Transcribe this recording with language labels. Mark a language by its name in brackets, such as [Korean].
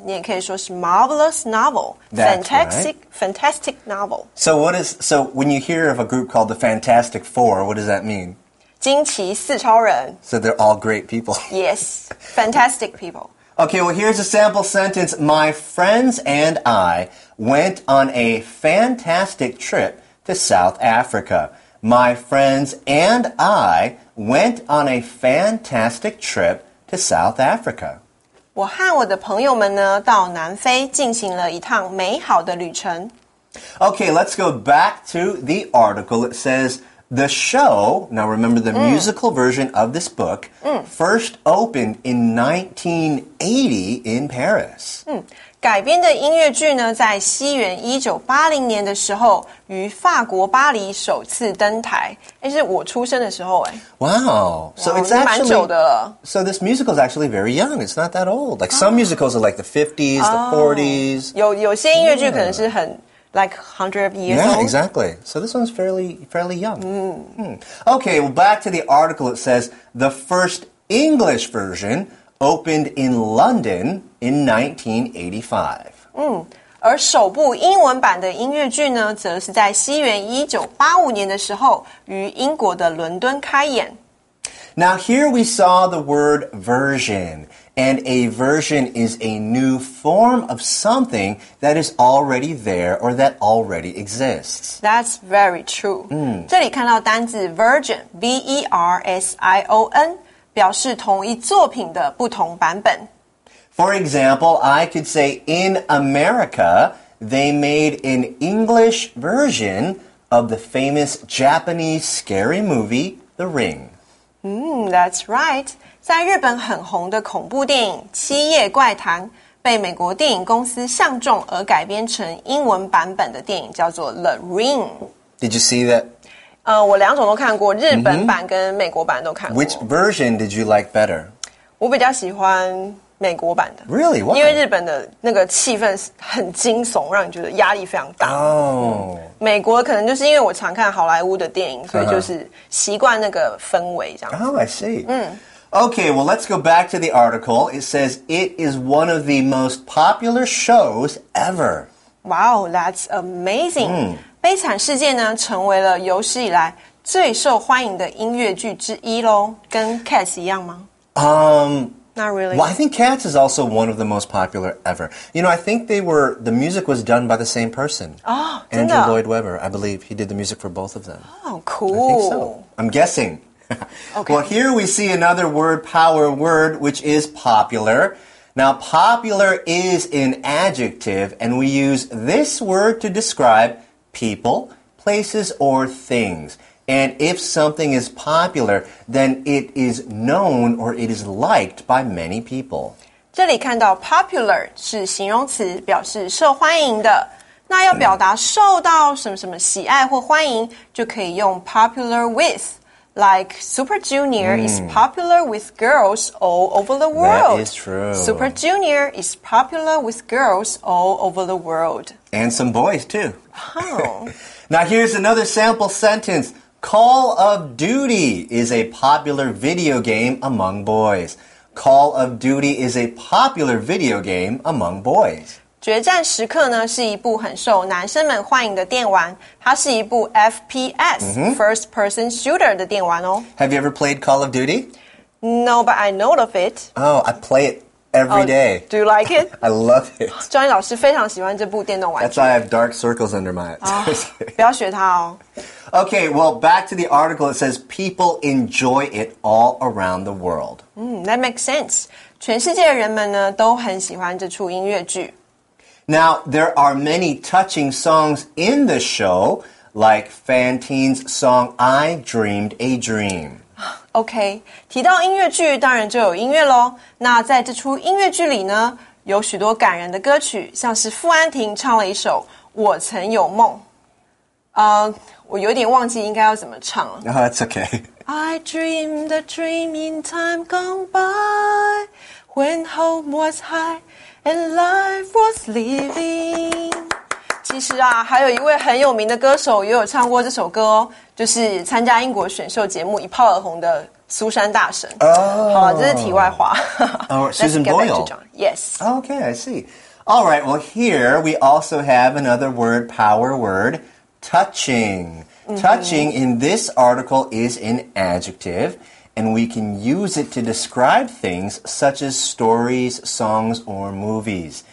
[Chinese] 你也可以说是 [English] marvelous novel. Fantastic novel. So, when you hear of a group called the Fantastic Four, what does that mean? [Chinese] 惊奇四超人 [English] So, they're all great people. Yes, fantastic people. Okay, well, here's a sample sentence. My friends and I went on a fantastic trip to South Africa. My friends and I went on a fantastic trip to South Africa. [Chinese] 我和我的朋友们呢，到南非进行了一趟美好的旅程。 [English] Okay, let's go back to the article. It says, the show, now remember the musical version of this book, first opened in 1980 in Paris. [Chinese] 改编的音乐剧呢，在西元1980年的时候，于法国巴黎首次登台。是我出生的时候 [English] Wow. So it's actually, [Chinese] 蛮久的了。 [English] So this musical is actually very young. It's not that old. Like some musicals are like the 50s, the 40s. [Chinese] 有些音乐剧可能是很 [English] like 100 of years old. Yeah, exactly. So this one's fairly young. Okay, well back to the article. It says, the first English version opened in London in 1985. 而首部英文版的音乐剧呢，则是在西元1985年的时候于英国的伦敦开演。 Now here we saw the word version, and a version is a new form of something that is already there or that already exists. That's very true. [Chinese] 这里看到单字 version, V-E-R-S-I-O-N, 表示同一作品的不同版本。 [English] For example, I could say, in America, they made an English version of the famous Japanese scary movie, The Ring. That's right. [Chinese] 在日本很红的恐怖电影《七夜怪谈》被美国电影公司相中而改编成英文版本的电影叫做《The Ring》。 [English] Did you see that? [Chinese] 我两种都看过，日本版跟美国版都看过。 [English] Which version did you like better? [Chinese] 我比较喜欢美国版的 [English] ，Really？ Why？ [Chinese] 因为日本的那个气氛很惊悚，让你觉得压力非常大。美国可能就是因为我常看好莱坞的电影，所以就是习惯那个氛围这样。 [English] I see. Okay, well, let's go back to the article. It says it is one of the most popular shows ever. Wow, that's amazing. [Chinese] 悲惨世界呢，成为了有史以来最受欢迎的音乐剧之一喽，跟 Cats 一样吗？ [English] Not really. Well, I think Cats is also one of the most popular ever. You know, I think the music was done by the same person. Oh, Andrew Lloyd Webber, I believe. He did the music for both of them. Oh, cool. I think so. I'm guessing. Okay. Well, here we see another word, power word, which is popular. Now, popular is an adjective, and we use this word to describe people, places, or things. And if something is popular, then it is known or it is liked by many people. [Chinese] 这里看到 popular 是形容词，表示受欢迎的。那要表达受到什么什么喜爱或欢迎，就可以用 popular with. [English] Like Super Junior is popular with girls all over the world. That is true. Super Junior is popular with girls all over the world. And some boys, too. Oh. Now here's another sample sentence. Call of Duty is a popular video game among boys. Call of Duty is a popular video game among boys. [Chinese] 决战时刻呢，是一部很受男生们欢迎的电玩。它是一部 FPS, [English] first person shooter [Chinese] 的电玩哦。 [English] Have you ever played Call of Duty? No, but I know of it. Oh, I play it every day. Do you like it? I love it. [Chinese] Johnny 老师非常喜欢这部电动玩具。 [English] That's why I have dark circles under my eyes. [Chinese] 不要学他哦。 [English] Okay, well, back to the article. It says people enjoy it all around the world. That makes sense. [Chinese] 全世界的人们呢都很喜欢这出音乐剧。 [English] Now, there are many touching songs in the show, like Fantine's song, I Dreamed a Dream. [Chinese] OK, 提到音乐剧当然就有音乐咯。那在这出音乐剧里呢有许多感人的歌曲像是傅安婷唱了一首我曾有梦。我有点忘记应该要怎么唱了。 [English] No, that's OK. I dreamed a dream in time gone by, when home was high, and life was living. [Chinese] 其实啊还有一位很有名的歌手也有唱过这首歌哦就是参加英国选秀节目一炮而红的苏珊大神。 [English] Oh, [Chinese] 好这是题外话。 [English] Susan Boyle. Yes. Okay, I see. All right, well here we also have another word, power word, touching. Touching in this article is an adjective, and we can use it to describe things such as stories, songs, or movies.